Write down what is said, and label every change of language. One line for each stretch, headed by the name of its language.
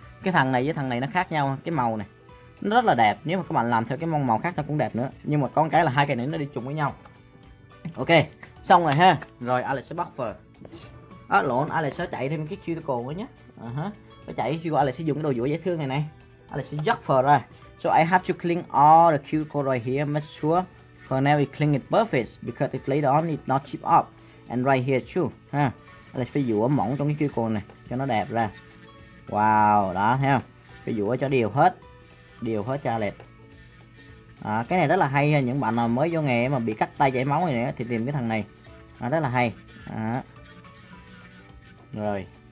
Vietnamese: Cái thằng này với thằng này nó khác nhau, cái màu này. Nó rất là đẹp, nếu mà các bạn làm theo cái màu khác nó cũng đẹp nữa. Nhưng mà có một cái là hai cái này nó đi trùng với nhau. Ok, xong rồi ha. Rồi Alex sẽ bắt phờ. À lộn, Alex sẽ chạy thêm cái cuticle nữa nhé. Nó chạy khi qua Alex sẽ dùng cái đồ dũa dễ thương này này. Alex sẽ dắt phờ ra.
English: So I have to clean all the cuticle right here. Make sure for now we clean it perfect. Because if later on it not chip up. And right here too. Ha.
Vietnamese: Alex phải dũa mỏng trong cái cuticle này. Cho nó đẹp ra. Wow, đó thấy không. Phải dũa cho đều hết. Đều hết cho Alex. À, cái này rất là hay ha. Những bạn nào mới vô nghề mà bị cắt tay chảy máu này thì tìm cái thằng này. À, rất là hay. À. Rồi.